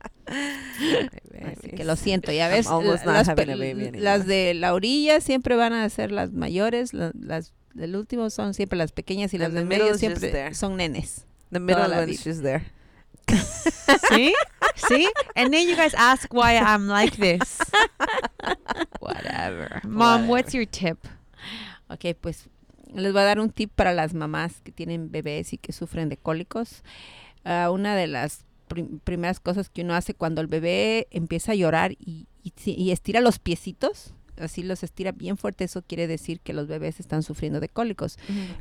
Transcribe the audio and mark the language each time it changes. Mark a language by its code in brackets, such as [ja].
[es] Así que lo siento, ya ves, las de la orilla siempre van a ser las mayores, las del último son siempre las pequeñas y las de medio siempre son nenes. [en] The middle one's just there. See? And then you guys ask why I'm like this. Whatever. Mom, whatever. What's your tip? [es] Okay, pues les voy a dar un tip para las mamás que tienen bebés y que sufren de cólicos. Una de las primeras cosas que uno hace cuando el bebé empieza a llorar y estira los piecitos, así los estira bien fuerte, eso quiere decir que los bebés están sufriendo de cólicos. Uh-huh.